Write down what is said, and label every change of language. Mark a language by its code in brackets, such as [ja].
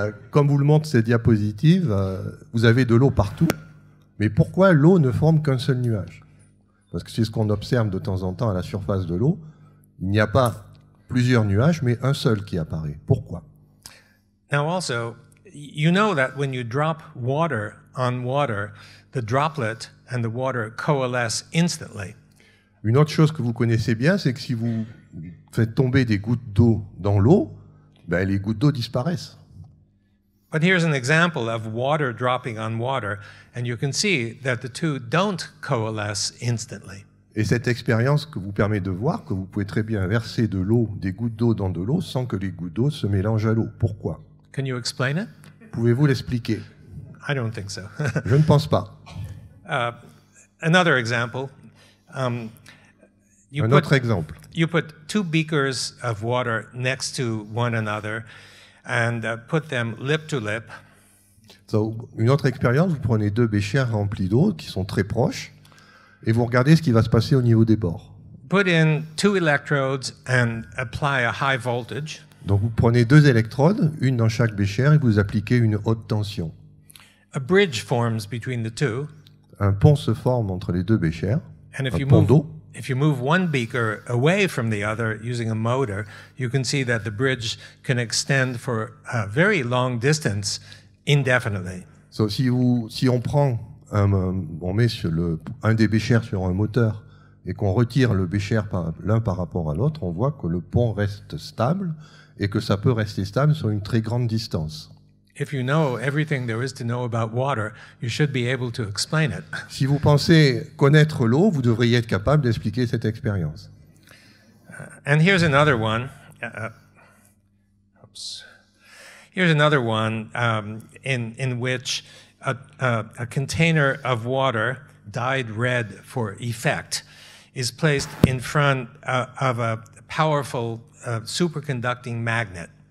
[fr] Comme vous le montre cette diapositive, vous avez de l'eau partout, mais pourquoi l'eau ne forme qu'un seul nuage? Parce que c'est ce qu'on observe de temps en temps à la surface de l'eau. Il n'y a pas plusieurs nuages, mais un seul qui apparaît. Pourquoi? [en] Now also, you know that when you drop water on water, the droplet and the water coalesce instantly. [fr] Une autre chose que vous connaissez bien, c'est que si vous faites tomber des gouttes d'eau dans l'eau, ben les gouttes d'eau disparaissent. [en] But here's an example of water dropping on water, and you can see that the two don't coalesce instantly. [fr] Et cette expérience que vous permet de voir, que vous pouvez très bien verser de l'eau, des gouttes d'eau dans de l'eau, sans que les gouttes d'eau se mélangent à l'eau. Pourquoi? [en] Can you explain it? [fr] Pouvez-vous l'expliquer? [en] I don't think so. [fr] Je ne pense pas. [en] Another example. [fr] Un autre exemple. [en] You put two beakers of water next to one another and put them lip to lip. [fr] So, une autre expérience, vous prenez deux béchers remplis d'eau qui sont très proches et vous regardez ce qui va se passer au niveau des bords. [en] Put in two electrodes and apply a high voltage. [fr] Donc vous prenez deux électrodes, une dans chaque béchère, et vous appliquez une haute tension. [en] A bridge forms between the two. [fr] Un pont se forme entre les deux béchères, [en] and [fr] un pont d'eau. [en] If you move one beaker away from the other using a motor, you can see that the bridge can extend for a very long distance indefinitely. [fr] So si on met un des béchères sur un moteur et qu'on retire le béchère l'un par rapport à l'autre, on voit que le pont reste stable. Et que ça peut rester stable sur une très grande distance. [en] If you know everything there is to know about water, you should be able to explain it. [fr] Si vous pensez connaître l'eau, vous devriez être capable d'expliquer cette expérience. [en] And here's another one. Oops. Here's another one in which a container of water dyed red for effect is placed in front of a powerful superconducting magnet.